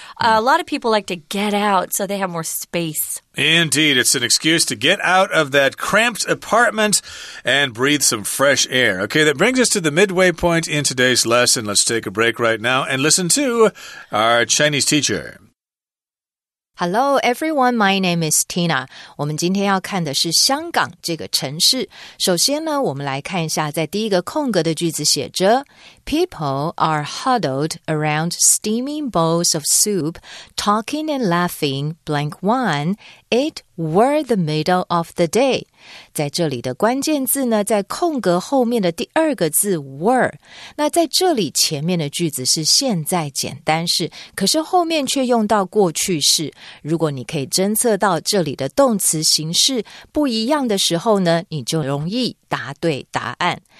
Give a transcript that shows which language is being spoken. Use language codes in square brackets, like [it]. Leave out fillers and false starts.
[en] A lot of people like to get out so they have more space. Indeed. It's an excuse to get out of that cramped apartment and breathe some fresh air. Okay, that brings us to the midway point in today's lesson. Let's take a break right now and listen to our Chinese teacher. Hello, everyone. My name is Tina. [zh] 我们今天要看的是香港这个城市。首先呢，我们来看一下在第一个空格的句子写着 [en] People are huddled around steaming bowls of soup, talking and laughing, blank one, it were the middle of the day. [zh] 在这里的关键字呢，在空格后面的第二个字 were。那在这里前面的句子是现在简单式，可是后面却用到过去式。如果你可以侦测到这里的动词形式不一样的时候呢，你就容易答对答案。